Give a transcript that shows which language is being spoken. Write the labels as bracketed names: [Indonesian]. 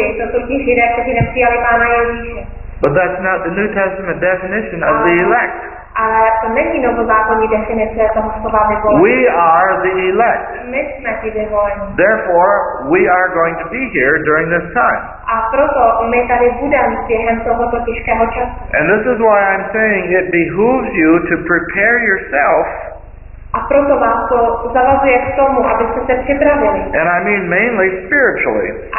[English] But that's not the New Testament definition of the elect. We are the elect. Therefore, we are going to be here during this time. [Czech] A proto my tady budeme během tohoto těžkého času. [English] And this is why I'm saying it behooves you to prepare yourself. [Czech] A proto vás to zavazuje k tomu, abyste se připravili. [English] And I mean mainly spiritually.